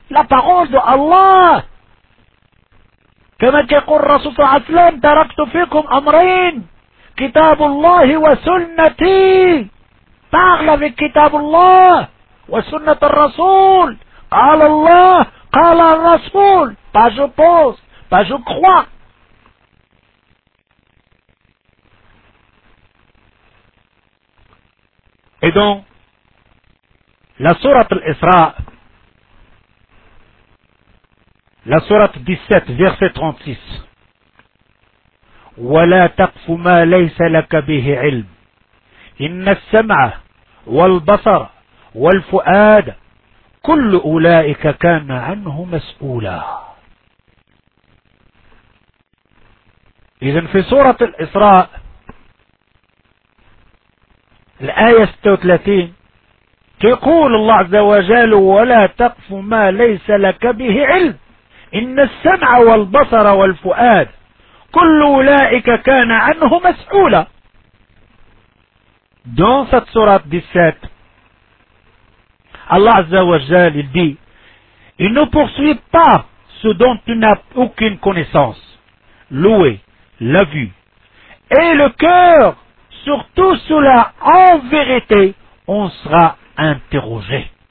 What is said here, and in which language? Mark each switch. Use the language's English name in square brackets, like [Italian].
[French] La parole de Allah. [Arabic] كما يقول الرسول صلى الله عليه وسلم تركت فيكم امرين كتاب الله وسنتي. [French] Parle avec [Arabic] كتاب الله وسنة الرسول. قال الله قال الرسول. [French] Pas je pense, pas je crois. Et dans la sourate Al-Isra, la sourate 17, verset 36, [Arabic] وَلَا تَقْفُ مَا لَيْسَ لَكَ بِهِ عِلْمٍ إِنَّ السَّمْعَ وَالْبَصَرَ وَالْفُؤَادَ كُلُّ أُولَئِكَ كَانَ عَنْهُ مَسْئُولًا. إذن في سورات الإسراء الآية 36 تقول الله عز وجل ولا تقف ما ليس لك به علم إن السمع والبصر والفؤاد كل أولئك كان عنه مسؤولا. [French] Dans cette sourate 17, Allah عز وجل dit, il ne poursuit pas ce dont tu n'as aucune connaissance, l'ouïe, la vue et le cœur. Sur tout cela, en vérité, on sera interrogé.